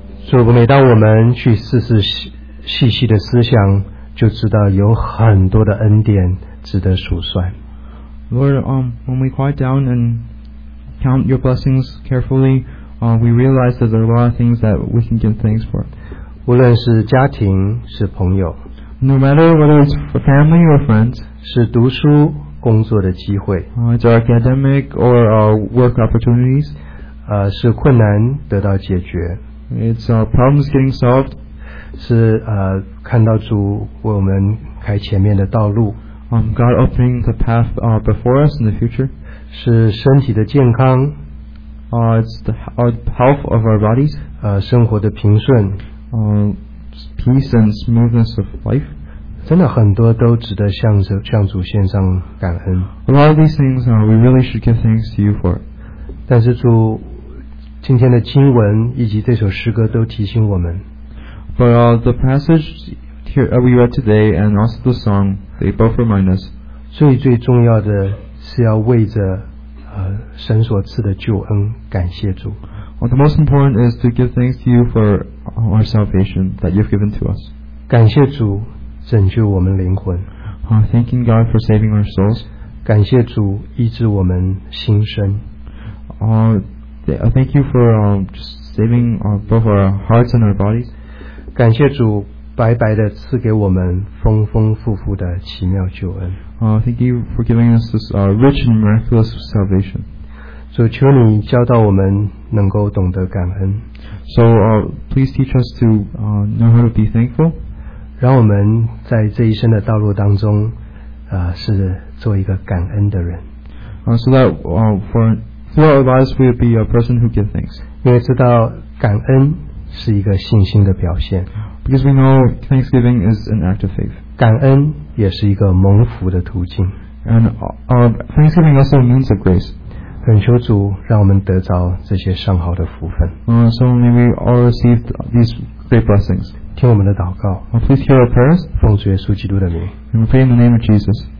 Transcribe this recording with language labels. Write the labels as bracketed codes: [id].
[zh] 主，每当我们去细细细细的思想，就知道有很多的恩典值得数算。 [en] Lord, when we quiet down and count your blessings carefully, we realize that there are a lot of things that we can give thanks for. [zh] 无论是家庭，是朋友。 [en] No matter whether it's for family or friends, [zh] 是读书工作的机会 [en] it's academic or work opportunities, [zh] 是困难得到解决 [en] it's problems getting solved, [zh] 是看到主为我们开前面的道路 [en] God opening the path before us in the future, [zh] 是身体的健康 [en] it's the health of our bodies, [zh] 生活的平顺 [en] peace and smoothness of life [zh] 真的很多都值得向主献上感恩 [en] A lot of these things we really should give thanks to you for [zh] 但是主今天的经文以及这首诗歌都提醒我们 [en] But the passage here, we read today and also the song they both remind us [zh] 最最重要的是要为着神所赐的救恩感谢主 [en] Well, the most important is to give thanks to you for our salvation that you've given to us. [zh] 感谢主拯救我们灵魂。 [en] Thanking God for saving our souls. [zh] 感谢主医治我们心身。 [en] Thank you for saving both our hearts and our bodies. [zh] 感谢主白白的赐给我们丰丰富富的奇妙救恩。 [en] Thank you for giving us this rich and miraculous salvation. [zh] 主求你教导我们能够懂得感恩 [en] So please teach us to know how to be thankful [zh] 让我们在这一生的道路当中是做一个感恩的人 [en] So that throughout our lives we will be a person who gives thanks [zh] 因为知道感恩是一个信心的表现 [en] Because we know thanksgiving is an act of faith [zh] 感恩也是一个蒙福的途径 [en] And thanksgiving also means a grace [zh] 恳求主让我们得着这些上好的福分。 [en] So may we all receive these great blessings. [zh] 听我们的祷告。 [en] Please hear our prayers. [zh] 奉主耶稣基督的名。 [en] We pray in the name of Jesus.